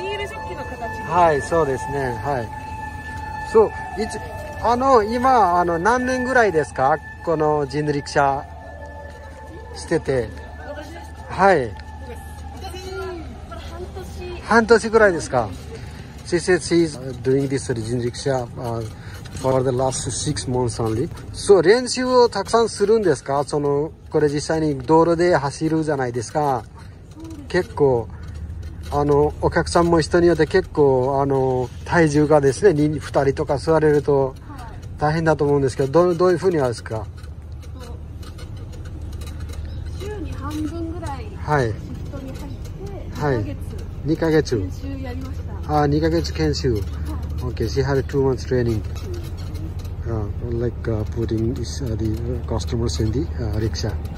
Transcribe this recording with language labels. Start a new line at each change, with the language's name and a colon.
Japanese: ビールジョッキの形。はい、そうですね。はい、そう、あの今あの何年ぐらいですか、この人力車してて。はい、半年ぐらいですか。
English: She said she is doing this 人力車 for the last 6 months only.
Japanese: So 練習をたくさんするんですか。そのこれ実際に道路で走るじゃないですか。結構あのお客さんも人によって結構あの体重がですね、 2人とか座れると大変だと思うんですけど、どういうふうにあるんですか？週に半分ぐらいシフトに入って、はい、 2ヶ月研修やりました。あ、2ヶ月研修、はい、
English: OK. She had 2 months training、like putting this, the customers in the rickshaw